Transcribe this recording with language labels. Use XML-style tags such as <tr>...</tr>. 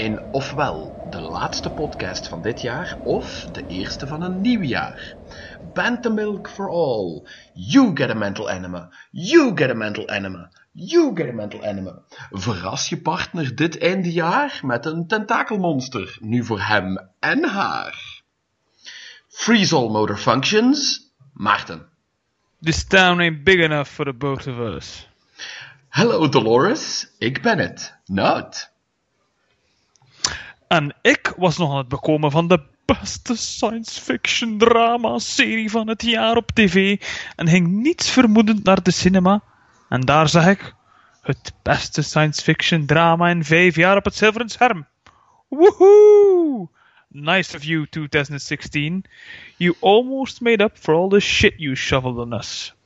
<nl>Ofwel de laatste podcast van dit jaar, of de eerste van een nieuw jaar.</nl> <en>Bantam milk for all. You get a mental enema. You get a mental enema. You get a mental enema.</en> <nl>Verras je partner dit einde jaar met een tentakelmonster, nu voor hem en haar.</nl> <en>Freeze all motor functions, Maarten. This town ain't big enough for the both of us.</en> <nl>Hello Dolores, ik ben het, Nout. En ik was nog aan het bekomen van de beste science fiction drama serie van het jaar op tv en ging niets vermoedend naar de cinema. En daar zag ik het beste science fiction drama in 5 jaar op het zilveren scherm.</nl> <en>Woohoo! Nice of you, 2016. You almost made up for all the shit you shoveled on us.</en>